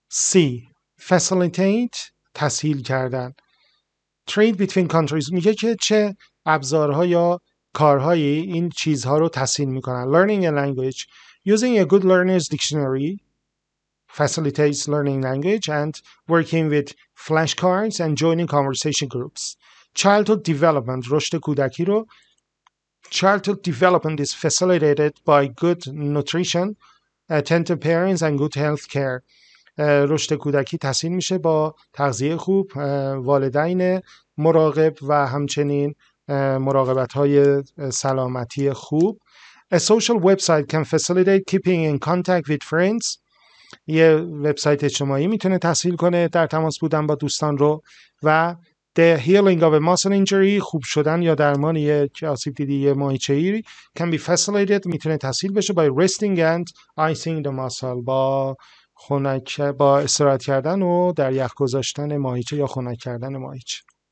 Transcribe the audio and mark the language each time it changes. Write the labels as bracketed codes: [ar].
[fa] C. Facilitate، تسهیل کردن. [en] Trade between countries، [fa] میگه که چه ابزارها یا کارهایی این چیزها رو تسهیل میکنن. [en] Learning a language، using a good learner's dictionary facilitates learning language and working with flashcards and joining conversation groups. Childhood development, [fa] رشد کودکی رو. [en] Childhood development is facilitated by good nutrition, attentive parents and good health care. [fa] رشد کودکی تسهیل میشه با تغذیه خوب، والدین مراقب و همچنین مراقبت های سلامتی خوب. [en] A social website can facilitate keeping in contact with friends. [fa] یه وبسایت اجتماعی میتونه تسهیل کنه در تماس بودن با دوستان رو. و [en] the healing of a muscle injury، [fa] خوب شدن یا درمان یک آسیب دیدی ماهیچه‌ای، [en] can be facilitated، [fa] میتونه تسهیل بشه [en] by resting and icing the muscle، [fa] با خنک، با استراحت کردن و در یخ گذاشتن ماهیچه یا خنک کردن ماهیچه.